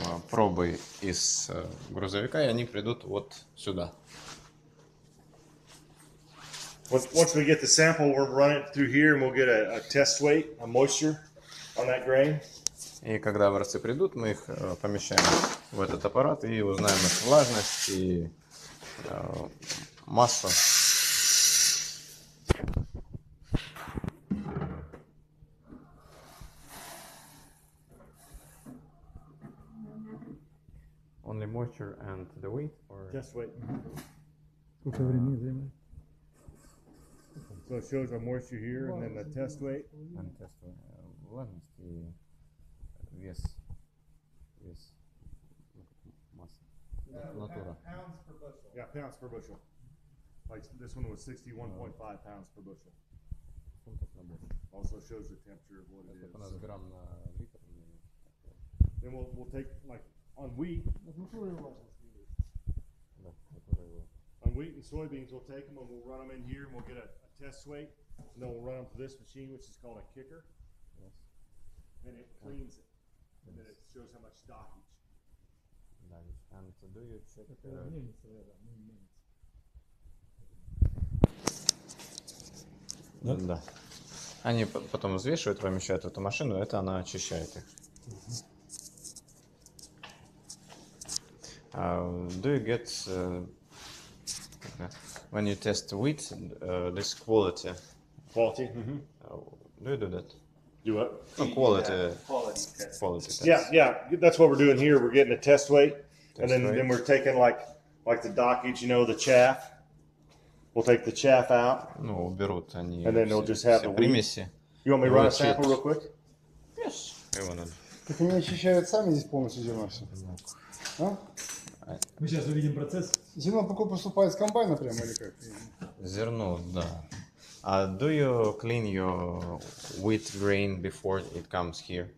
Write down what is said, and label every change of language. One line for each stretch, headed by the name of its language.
Russian: Пробы из грузовика, и они придут вот сюда.
English: Once we get the sample, we'll run it through here, and we'll get a test weight, a moisture on that grain.
Russian: И когда образцы придут, мы их помещаем в этот аппарат и узнаем их влажность и массу.
English: Only moisture and the weight, or just weight?
Russian: Сколько времени займет?
English: So it shows our moisture here, and then the test weight. And test weight,
Russian: влажность и вес, вес, масса, натура.
English: Pounds per bushel. Yeah, pounds per bushel. Like this one was 61.5 pounds per bushel. Also shows the temperature of what it is.
Russian: Грамм на литр.
English: Then we'll take like. On wheat, on wheat and soybeans, we'll take them and we'll run them in here, and we'll get a test weight, and then we'll run them to this machine, which is called a kicker. Yes. And it cleans it, and then it shows how much stock each. Nice. And so do you check it? Minutes.
Russian: Да. Да. Они потом взвешивают, помещают в эту машину, это она очищает их.
English: Do you get when you test wheat this quality? Quality. Do you do that? Do what? Oh, quality. Yeah, quality test. Yeah. That's what we're doing here. We're getting a test weight, and then we're taking like the dockage, you know, the chaff. We'll take the chaff out.
Russian: Ну, уберут они.
English: And then we'll just have the
Russian: примеси.
English: You want me to run a sample real quick? Yes. I want to.
Russian: Так они ощущают сами здесь полностью зерно все. Мы сейчас увидим процесс. Зерно такое поступает с комбайна прямо или как? Зерно, да.
English: А do you clean your wheat grain before it comes here?